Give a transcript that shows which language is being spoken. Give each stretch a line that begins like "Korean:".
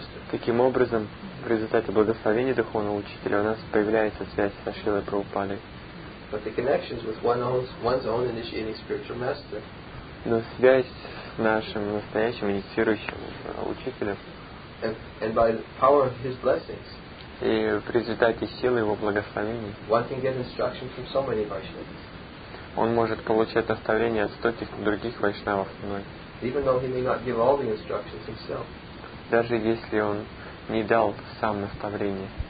Russian: Таким образом, в результате благословения духовного учителя у нас появляется связь со Шрилой Прабхупадой.
English: But the connections with one's own initiating spiritual master.
Russian: Но связь с нашим настоящим инициирующим учителем.
English: And by the power of his blessings.
Russian: И в результате силы его благословений.
English: One can get instruction from so many Vaishnavas.
Russian: Он может получать наставления от стольких других вайшнавов.
English: Even though he may not give all the instructions himself.
Russian: Даже если он не дал сам наставление.